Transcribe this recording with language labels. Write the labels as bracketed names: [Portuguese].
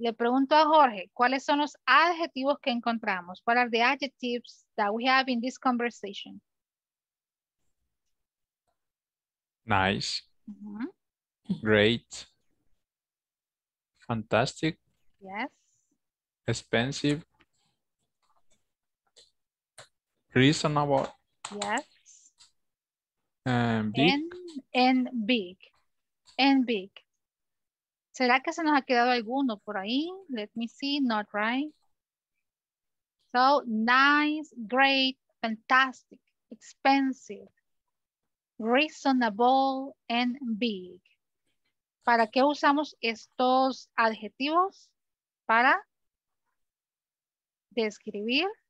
[Spanish] Le pregunto a Jorge, ¿cuáles son los adjetivos que encontramos? [English] What are the adjectives that we have in this conversation? Nice. Uh-huh. Great. Fantastic. Yes. Expensive. Reasonable. Yes. And big. And big. [Spanish] ¿Será que se nos ha quedado alguno por ahí? [English] Let me see, not right. So, nice, great, fantastic, expensive, reasonable, and big. [Spanish] ¿Para qué usamos estos adjetivos? Para describir